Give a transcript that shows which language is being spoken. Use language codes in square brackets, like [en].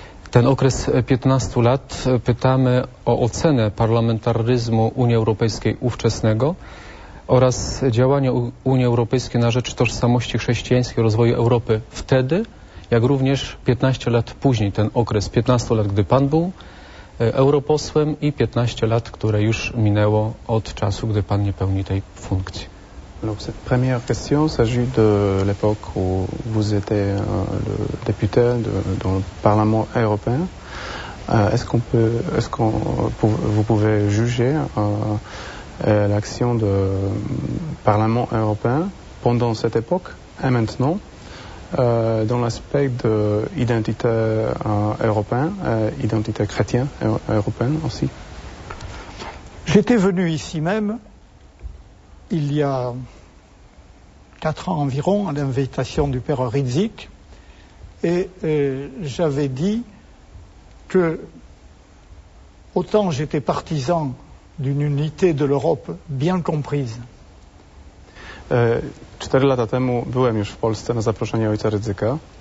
[pl] Ten okres 15 lat, pytamy o ocenę parlamentaryzmu Unii Europejskiej ówczesnego oraz działania Unii Europejskiej na rzecz tożsamości chrześcijańskiej, rozwoju Europy wtedy, jak również 15 lat później, ten okres 15 lat, gdy pan był europosłem i 15 lat, które już minęło od czasu, gdy pan nie pełni tej funkcji. [fr] Alors, cette première question s'agit de l'époque où vous étiez le député dans le Parlement européen. Vous pouvez juger l'action du Parlement européen pendant cette époque et maintenant dans l'aspect de l'identité européenne, identité chrétienne européenne aussi? J'étais venu ici même il y a 4 ans environ, à l'invitation du père Rizik, et j'avais dit que, autant j'étais partisan d'une unité de l'Europe bien comprise. [pl] 4 lata temu byłem już w Polsce na zaproszenie ojca Rydzyka.